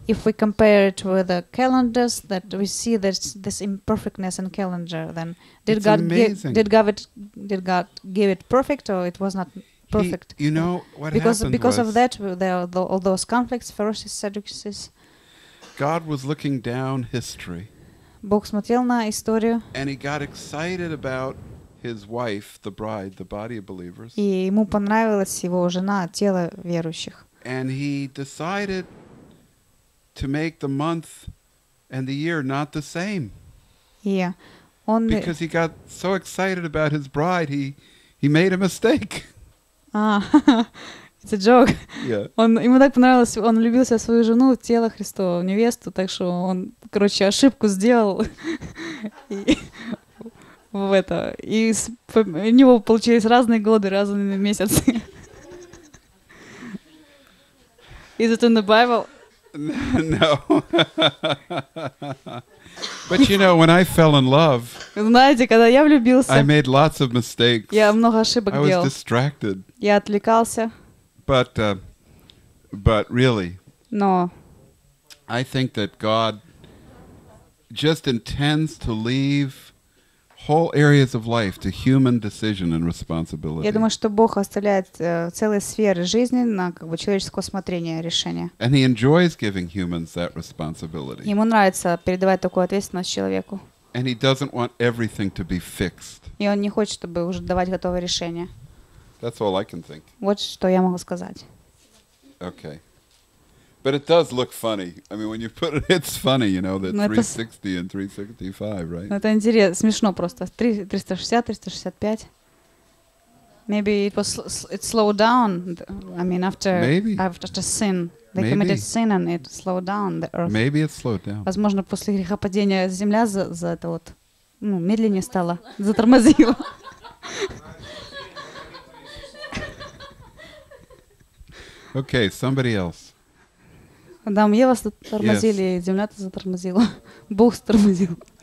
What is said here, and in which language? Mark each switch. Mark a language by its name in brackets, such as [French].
[English] If we compare it with the calendars, that we see this imperfectness in calendar, then did God give it perfect, or it was not perfect? You know what because of that, there are all those conflicts, Pharisees, Sadducees. God was looking down history. [Russian] Бог смотрел на историю. [English] And he got excited about his wife, the bride, the body of believers. [Russian] И ему понравилась его жена, тело верующих. [English] And he decided to make the month and the year not the same. Yeah. [Russian] Он... [English] Because he got so excited about his bride, he made a mistake. It's a joke. Yeah. [Russian] Он, ему так понравилось, он влюбился в свою жену, в тело Христово, в невесту, так что он, короче, ошибку сделал. И, в это. И с, по, у него получились разные годы, разные месяцы. [English] Is it in the Bible? No. But you know, when I fell in love, [Russian] знаете, когда я влюбился, [English] I made lots of mistakes. [Russian] Я много ошибок делал. [English] I was distracted. [Russian] Я отвлекался. [English] But really, no. I think that God just intends to leave whole areas of life to human decision and responsibility. [Russian] Я думаю, что Бог оставляет целые сферы жизни на как бы человеческое усмотрение решения. [English] And he enjoys giving humans that responsibility. [Russian] Ему нравится передавать такую ответственность человеку. [English] And he doesn't want everything to be fixed. [Russian] И он не хочет, чтобы уже давать готовое решение. [English] That's all I can think. [Russian] Вот что я могу сказать. [English] Okay. But it does look funny. I mean, when you put it, it's funny, you know, that 360 and 365, right? [Russian] Это интересно, смешно просто. [English] 360, 365. Maybe it slowed down. I mean, after sin. They committed sin and it slowed down the earth. Maybe it slowed down. [Russian] Возможно, после грехопадения земля за это вот, ну, медленнее стала, затормозила. [English] Okay, somebody else. [Russian] Адам, Ева затормозили, yes. Земля-то затормозила. Бог затормозил.